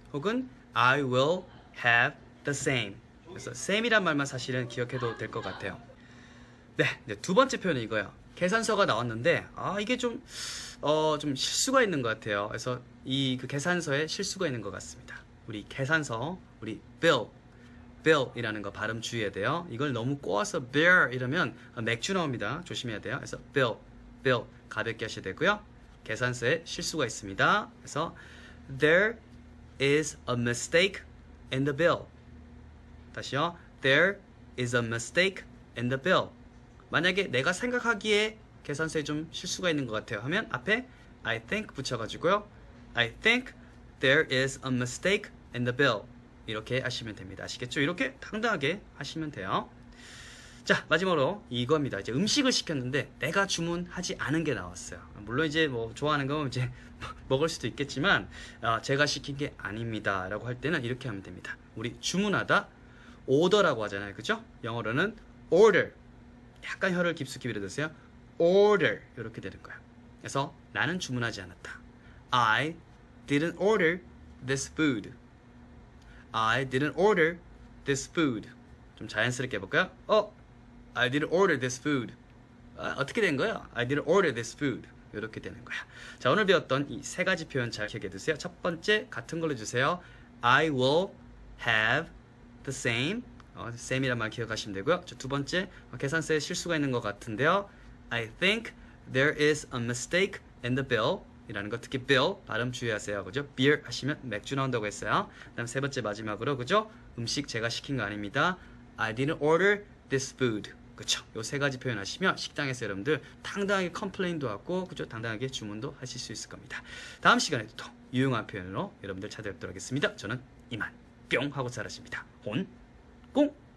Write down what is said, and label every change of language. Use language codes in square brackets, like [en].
[ko] 혹은 [en] I will have the same. [ko] 그래서 same이란 말만 사실은 기억해도 될 것 같아요. 네, 이제 두 번째 표현은 이거예요. 계산서가 나왔는데 이게 좀 실수가 있는 것 같아요. 그래서 이 그 계산서에 실수가 있는 것 같습니다. 우리 계산서, 우리 bill이라는 거 발음 주의해야 돼요. 이걸 너무 꼬아서 beer 이러면 맥주 나옵니다. 조심해야 돼요. 그래서 bill 가볍게 하셔야 되고요. 계산서에 실수가 있습니다. 그래서 [en] there is a mistake in the bill. [ko] 다시요. [en] There is a mistake in the bill. [ko] 만약에 내가 생각하기에 계산서에 좀 실수가 있는 것 같아요 하면 앞에 [en] I think [ko] 붙여가지고요. [en] I think there is a mistake in the bill. [ko] 이렇게 하시면 됩니다. 아시겠죠? 이렇게 당당하게 하시면 돼요. 자, 마지막으로 이겁니다. 이제 음식을 시켰는데 내가 주문하지 않은 게 나왔어요. 물론 이제 뭐 좋아하는 거면 이제 먹을 수도 있겠지만 제가 시킨 게 아닙니다 라고 할 때는 이렇게 하면 됩니다. 우리 주문하다 order라고 하잖아요. 그죠? 영어로는 order. 약간 혀를 깊숙이 밀어드세요. order. 이렇게 되는 거야. 그래서 나는 주문하지 않았다. [en] I didn't order this food. I didn't order this food. [ko] 좀 자연스럽게 해볼까요? [en] I didn't order this food. [ko] 어떻게 된 거야? [en] I didn't order this food. [ko] 이렇게 되는 거야. 자, 오늘 배웠던 이 세 가지 표현 잘 기억해 두세요. 첫 번째, 같은 걸로 주세요. [en] I will have the same. [ko] same이란 말 기억하시면 되고요. 자, 두 번째, 계산서에 실수가 있는 것 같은데요. [en] I think there is a mistake in the bill. [ko] 이라는 거, 특히 bill 발음 주의하세요. 그죠? beer 하시면 맥주 나온다고 했어요. 그 다음 세 번째 마지막으로, 그죠? 음식 제가 시킨 거 아닙니다. [en] I didn't order this food. [ko] 그쵸? 요 세 가지 표현하시면 식당에서 여러분들 당당하게 컴플레인도 하고, 그죠? 당당하게 주문도 하실 수 있을 겁니다. 다음 시간에도 또 유용한 표현으로 여러분들 찾아뵙도록 하겠습니다. 저는 이만 뿅 하고 잘하십니다. 혼, 꽁!